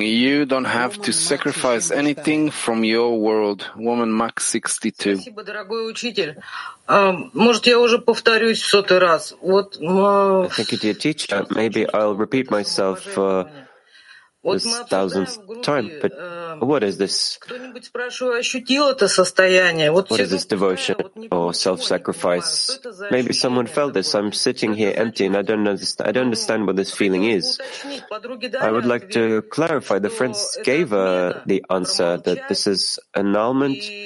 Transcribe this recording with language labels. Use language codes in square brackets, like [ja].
[en] You don't have to sacrifice anything from your world. Woman Max 62. [ru] Спасибо, дорогой учитель. Может, я уже повторюсь сотый раз. Вот, [en] thank you, dear teacher. Maybe I'll repeat myself this thousandth time. But what is this? [ru] Кто-нибудь спрашиваю, ощутил это состояние? [en] What is this devotion or self-sacrifice? Maybe someone felt this. I'm sitting here empty and I don't understand what this feeling is. I would like to clarify. The friends gave the answer that this is annulment.